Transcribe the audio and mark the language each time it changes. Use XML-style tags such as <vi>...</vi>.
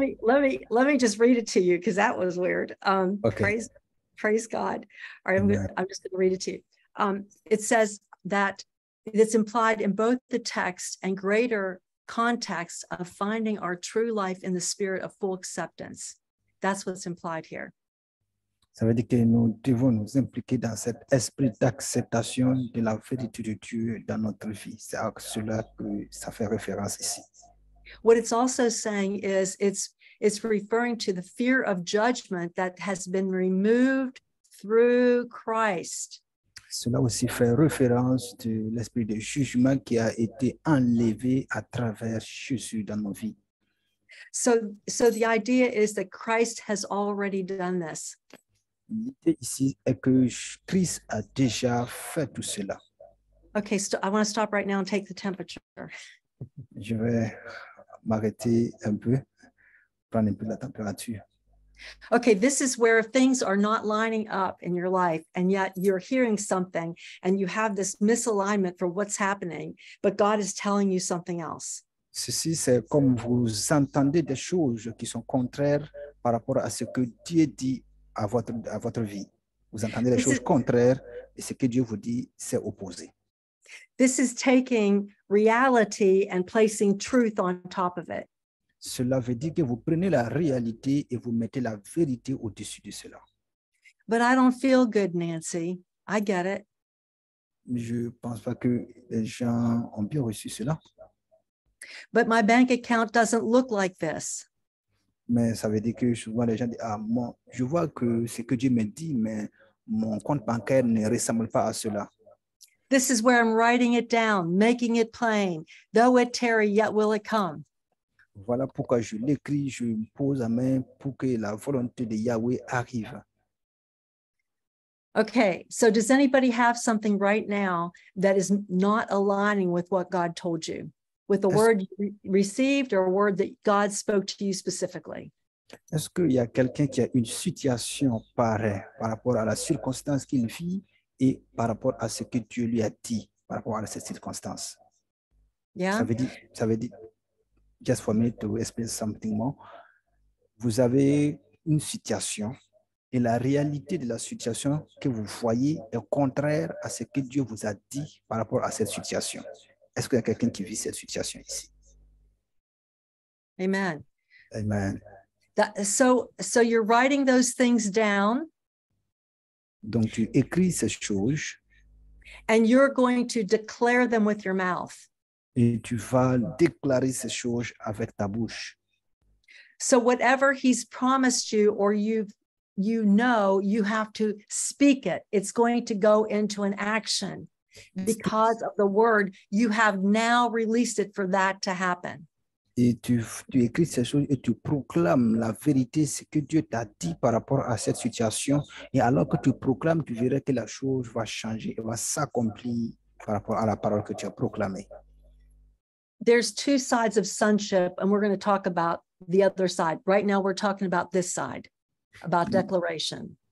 <en>Let me just read it to you because that was weird. Okay. Praise God. All right, I'm just going to read it to you. It says that it's implied in both the text and greater context of finding our true life in the spirit of full acceptance. That's what's implied here.</en> <fr>Ça veut dire que nous devons nous impliquer dans cet esprit d'acceptation de la vérité de Dieu dans notre vie. C'est à cela que ça fait référence ici.</fr> <en>What it's also saying is it's referring to the fear of judgment that has been removed through Christ.</en> <fr>Cela aussi fait référence de l'esprit de jugement qui a été enlevé à travers Jésus dans nos vies.</fr> <en>So the idea is that Christ has already done this.</en> <fr>L'idée ici est que Christ a déjà fait tout cela.</fr> <en>Okay, so I want to stop right now and take the temperature.</en> <fr>Je vais m'arrêter un peu. Prendre un peu la température.</fr> <en>Okay, this is where things are not lining up in your life, and yet you're hearing something, and you have this misalignment for what's happening, but God is telling you something else.</en> <fr>Ceci, c'est comme vous entendez des choses qui sont contraires par rapport à ce que Dieu dit à votre vie. Vous entendez des choses contraires, et ce que Dieu vous dit, c'est opposé.</fr> <en>This is taking reality and placing truth on top of it.</en> <fr>Cela veut dire que vous prenez la réalité et vous mettez la vérité au-dessus de cela.</fr> <en>But I don't feel good, Nancy. I get it.</en> <fr>Je pense pas que les gens ont bien reçu cela.</fr> <en>But my bank account doesn't look like this.</en> <fr>Mais ça veut dire que souvent les gens disent, ah, moi, je vois que c'est que Dieu me dit, mais mon compte bancaire ne ressemble pas à cela.</fr> <en>This is where I'm writing it down, making it plain. Though it tarry, yet will it come.</en> <fr>Voilà pourquoi je l'écris, je me pose la main pour que la volonté de Yahweh arrive.</fr> <en>Okay, so does anybody have something right now that is not aligning with what God told you? With the word you received or a word that God spoke to you specifically?</en> <fr>Est-ce qu'il y a quelqu'un qui a une situation pareille par rapport à la circonstance qu'il vit et par rapport à ce que Dieu lui a dit par rapport à cette circonstance?</fr> <en>Yeah.</en> <fr>Ça veut dire...</fr> <en>Just for me to explain something more.</en> <fr>Vous avez une situation et la réalité de la situation que vous voyez est contraire à ce que Dieu vous a dit par rapport à cette situation. Est-ce qu'il y a quelqu'un qui vit cette situation ici?</fr> <en>Amen. Amen. So you're writing those things down.</en> <fr>Donc tu écris ces choses.</fr> <en>And you're going to declare them with your mouth.</en> <fr>Et tu vas déclarer ces choses avec ta bouche.</fr> <en>So whatever he's promised you or you've you know, you have to speak it. It's going to go into an action because of the word. You have now released it for that to happen.</en> <fr>Et tu écris ces choses et tu proclames la vérité, ce que Dieu t'a dit par rapport à cette situation. Et alors que tu proclames, tu verras que la chose va changer et va s'accomplir par rapport à la parole que tu as proclamée.</fr> <en>There's two sides of sonship, and we're going to talk about the other side. Right now, we're talking about this side, about declaration.</en>